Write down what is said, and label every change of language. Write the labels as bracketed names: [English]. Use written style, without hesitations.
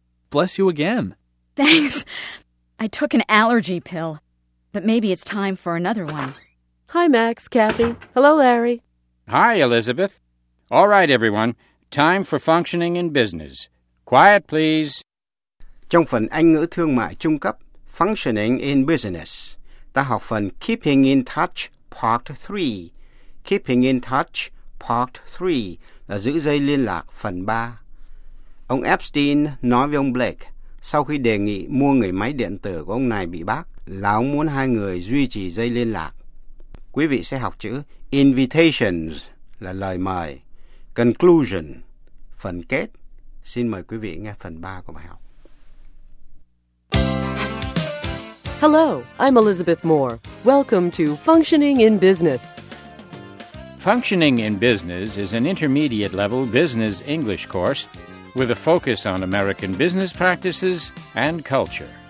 [English] Bless you again. Thanks. I took an allergy pill, but maybe it's time for another one. Hi, Max, Kathy. Hello, Larry. Hi, Elizabeth. All right, everyone. Time for functioning in business. Quiet, please. [Vietnamese] Trong phần Anh ngữ thương mại trung cấp, Functioning in Business, ta học phần Keeping in Touch, Part 3. Keeping in Touch, Part 3, là giữ dây liên lạc phần 3. Ông Epstein nói với ông Blake, sau khi đề nghị mua người máy điện tử của ông này bị bác, là ông muốn hai người duy trì dây liên lạc. Quý vị sẽ học chữ invitations là lời mời. Conclusion, phần kết. Xin mời quý vị nghe phần 3 của bài học. [English] Hello, I'm Elizabeth Moore. Welcome to Functioning in Business. Functioning in Business is an intermediate level business English course with a focus on American business practices and culture.